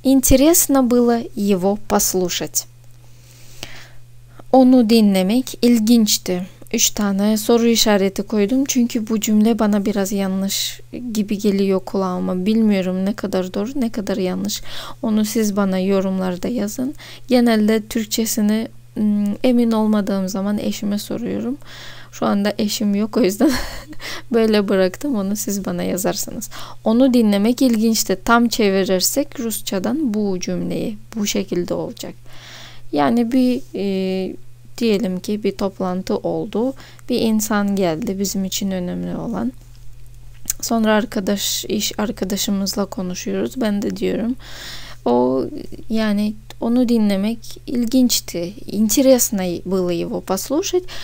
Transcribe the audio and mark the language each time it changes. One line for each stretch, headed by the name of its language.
Russian: Интересно было его послушать.
Turkish: Onu dinlemek ilginçti. Üç tane soru işareti koydum. Çünkü bu cümle bana biraz yanlış gibi geliyor kulağıma. Bilmiyorum ne kadar doğru, ne kadar yanlış. Onu siz bana yorumlarda yazın. Genelde Türkçesini emin olmadığım zaman eşime soruyorum. Şu anda eşim yok o yüzden böyle bıraktım. Onu siz bana yazarsınız. Onu dinlemek ilginçti. Tam çevirirsek Rusçadan bu cümleyi bu şekilde olacak. Yani bir diyelim ki bir toplantı oldu. Bir insan geldi bizim için önemli olan. Sonra iş arkadaşımızla konuşuyoruz. Ben de diyorum. O yani onu dinlemek ilginçti.
Russian: Интересно было его послушать.